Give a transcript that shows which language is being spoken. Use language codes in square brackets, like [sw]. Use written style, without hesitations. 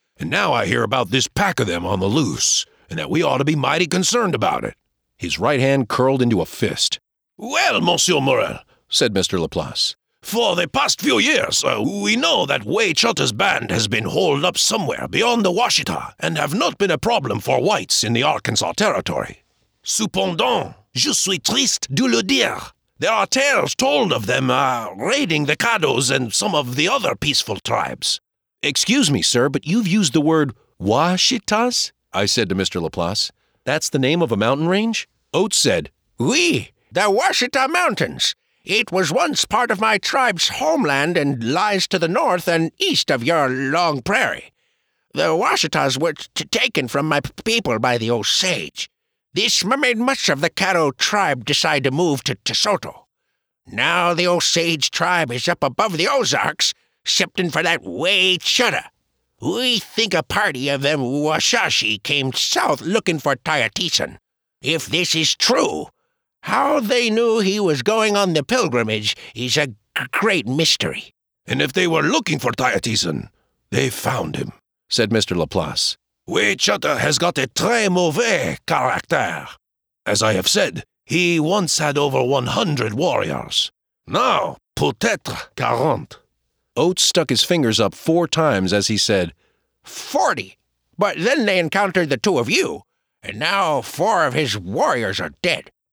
[en] And now I hear about this pack of them on the loose, and that we ought to be mighty concerned about it. His right hand curled into a fist. Well, Monsieur Morel, said Mr. Laplace, for the past few years, we know that Wechuta's band has been holed up somewhere beyond the Washita and have not been a problem for whites in the Arkansas Territory. [fr] Cependant, je suis triste de le dire. [en] There are tales told of them raiding the Caddos and some of the other peaceful tribes. Excuse me, sir, but you've used the word Washitas, I said to Mr. Laplace. That's the name of a mountain range? Oates said, Oui, the Washita Mountains. It was once part of my tribe's homeland and lies to the north and east of your long prairie. The Washitas were taken from my people by the Osage. This made much of the Caddo tribe decide to move to Tesoto. Now the Osage tribe is up above the Ozarks, shipping for that Wechuta. We think a party of them Wushashi came south looking for Tiatisan. If this is true, how they knew he was going on the pilgrimage is a great mystery. And if they were looking for Tiatisan, they found him, said Mr. Laplace. Wechuta has got a [fr] très mauvais caractère. [en] As I have said, he once had over 100 warriors. Now, peut-être 40. Oates stuck his fingers up 4 times as he said, 40. But then they encountered the two of you, and now 4 of his warriors are dead.